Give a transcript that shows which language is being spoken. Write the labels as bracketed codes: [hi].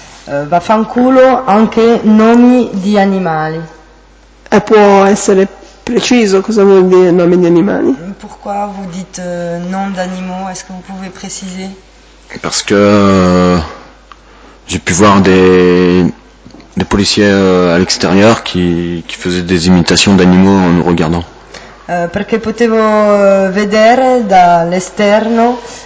[it] Vaffanculo, anche nomi di animali. E può essere preciso cosa vuol dire nomi di animali? [fr] Pourquoi vous dites nom d'animaux? Est-ce que vous pouvez préciser? Parce que j'ai pu voir des policiers à l'extérieur qui faisaient des imitations d'animaux en nous regardant. [it] Perché potevo vedere dall'esterno.